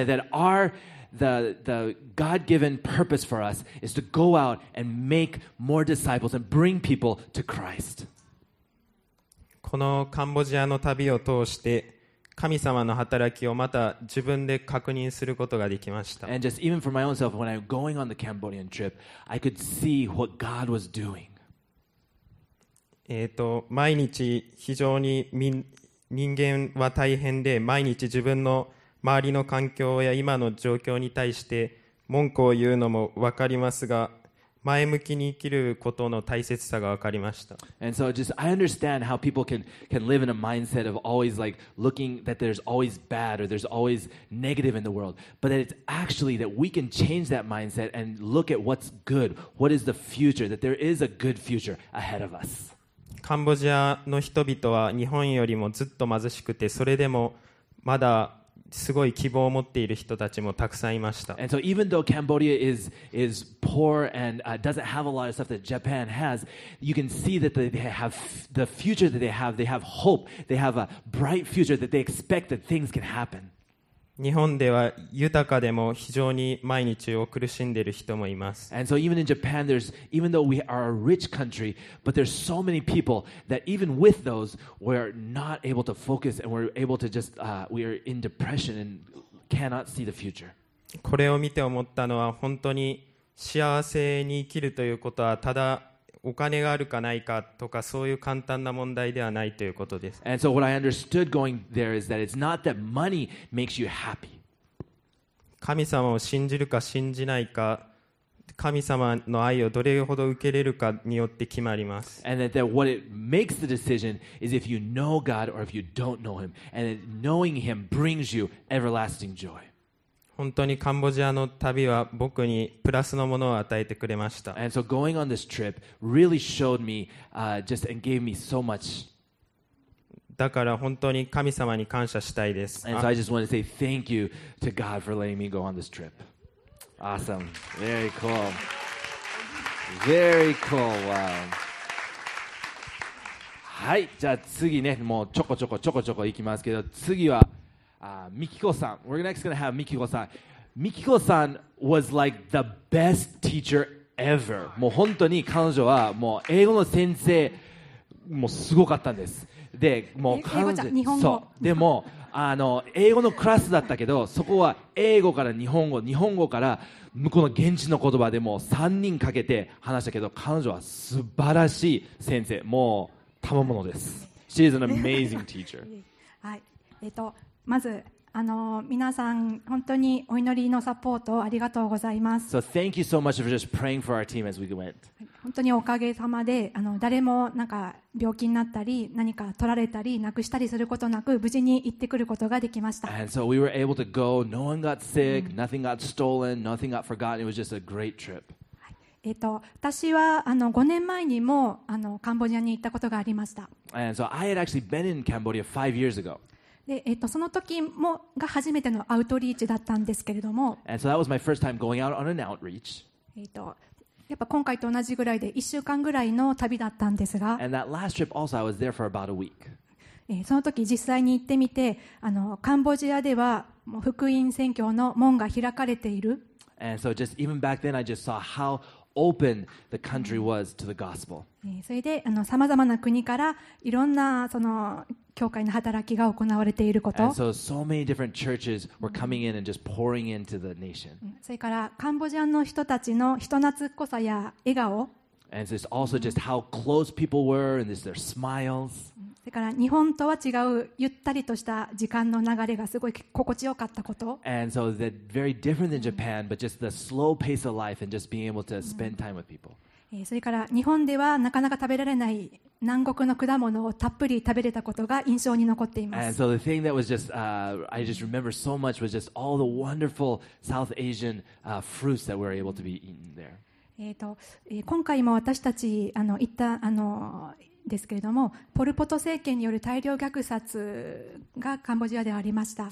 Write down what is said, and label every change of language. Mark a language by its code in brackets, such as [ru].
[en] And that our the God-given purpose for us is to go out and make more disciples and bring people to Christ. [ja] このカンボジアの旅を通して神様の働きをまた自分で確認することができました。 [en] And just even for my own self, when I'm going on the Cambodian trip, I could see what God was doing. [ja] 毎日非常に人間は大変で、毎日自分の周りの環境や今の状況に対して文句を言うのも分かりますが、前向きに生きることの大切さが分かりました。 [en] And so just I understand how people can live in a mindset of always like looking that there's always bad or there's always negative in the world. But that it's actually that we can change that mindset and look at what's good. What is the future? That there is a good future ahead of us. [ja] カンボジアの人々は日本よりもずっと貧しくて、それでもまだすごい希望を持っている人たちもたくさんいました。 [en] And so even though Cambodia is poor and doesn't have a lot of stuff that Japan has, you can see that they have the future that they have hope, they have a bright future that they expect that things can happen. [ja] 日本では豊かでも非常に毎日を苦しんでいる人もいます。 [en] And so even in Japan, there's even though we are a rich country, but there's so many people that even with those, we're not able to focus and we're able to just we are in depression and cannot see the future. [ja] これを見て思ったのは本当に幸せに生きるということはただお金があるかないかとかそういう簡単な問題ではないということです。 [en] And so what I understood going there is that it's not that money makes you happy. [ja] 神様を信じるか信じないか、神様の愛をどれほど受けれるかによって決まります。 [en] And that what it makes the decision is if you know God or if you don't know Him. And that knowing Him brings you everlasting joy. [ja] 本当にカンボジアの旅は僕にプラスのものを与えてくれました。 [en] And so going on this trip really showed me, just and gave me so much. [ja] だから本当に神様に感謝したいです。 [en] And so I just want to say thank you to God for letting me go on this trip. Awesome. Very cool. Very cool. Wow. [ja] はい、じゃあ次ね、もうちょこちょこちょこちょこ行きますけど、次は。 [en] Mikiko-san, we're next going to have Mikiko-san. Mikiko-san was like the best teacher ever. [ja] もう本当に彼女はもう英語の先生もうすごかったんです。で、もう彼女、英語じゃ、日本語。そう。でも、英語のクラスだったけど、そこは英語から日本語、日本語から向こうの現地の言葉でもう3人かけて話したけど、彼女は素晴らしい先生。もう賜物です。 [en] She is an amazing teacher. [ja] はい。まず皆さん本当にお祈りのサポートありがとうございます。 [en] So thank you so much for just praying for our team as we went. [ja] 本当におかげさまで誰もなんか病気になったり何か取られたりなくしたりすることなく無事に行ってくることができました。 [en] And so we were able to go. No one got sick. Nothing got stolen. Nothing got forgotten. It was just a great trip. [ja] 私は5年前にもカンボジアに行ったことがありました。 [en] And so I had actually been in Cambodia 5 years ago. [ja] でその時もが初めてのアウトリーチだったんですけれども、 [en] so、that was my first time going out on an outreach. [ja] やっぱ今回と同じぐらいで1週間ぐらいの旅だったんですが、 [en] and that last trip also I was there for about a week. [ja] その時実際に行ってみてカンボジアではもう福音宣教の門が開かれている。 [en] And so just even back then I just saw howopen the country was to the gospel. [ja] それで様々な国からいろんなその教会の働きが行われていること。 [en] And so, so many different churches were coming in and just pouring into the nation. [ja] それからカンボジアの人たちの人懐っこさや笑顔。 [en] And so it's also just how close people were and just their smiles. [ja] それから日本とは違うゆったりとした時間の流れがすごい心地よかったこと。 [en] And so that very different than Japan, but just the slow pace of life and just being able to spend time with people. [ja] それから日本ではなかなか食べられない南国の果物をたっぷり食べれたことが印象に残っています。 [en] And so the thing that was just, I just remember so much was just all the wonderful South Asian, fruits that we were able to be eaten there. [ja] 今回も私たち行ったですけれども、ポルポト政権による大量虐殺がカンボジアではありました。